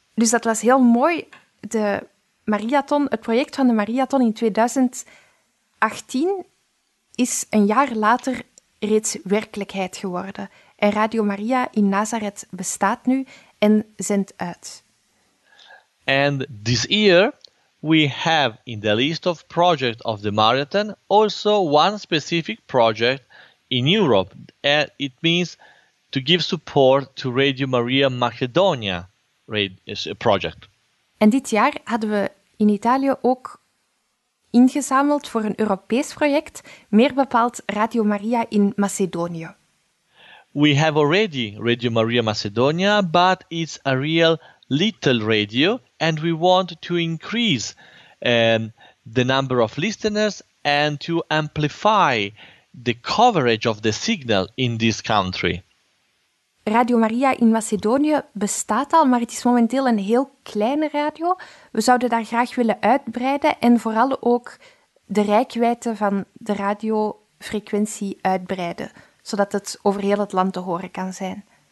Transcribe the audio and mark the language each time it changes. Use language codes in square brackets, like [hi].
[nl] Dus dat was heel mooi, de Mariathon, het project van de Mariathon in 2018... is een jaar later reeds werkelijkheid geworden. En Radio Maria in Nazareth bestaat nu en zendt uit. [en] And this year we have in the list of projects of the Mariathon also one specific project in Europe. It means to give support to Radio Maria Macedonia project. [nl] En dit jaar hadden we in Italië ook ingezameld voor een Europees project, meer bepaald Radio Maria in Macedonië. [en] We have already Radio Maria Macedonia, but it's a real little radio and we want to increase the number of listeners and to amplify the coverage of the signal in this country. [nl] Radio Maria in Macedonië bestaat al, maar het is momenteel een heel kleine radio. We zouden daar graag willen uitbreiden en vooral ook de reikwijdte van de radiofrequentie uitbreiden, zodat het over heel het land te horen kan zijn.